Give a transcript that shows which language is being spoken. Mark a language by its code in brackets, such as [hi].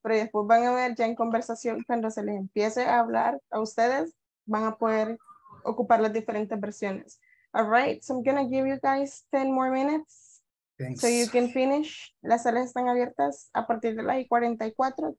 [es] Pero después van a ver ya en conversación, cuando se les empiece a hablar a ustedes, van a poder ocupar las diferentes versiones. [en] All right, so I'm going to give you guys 10 more minutes. Thanks. So you can finish. [es] Las salas están abiertas a partir de la I-44.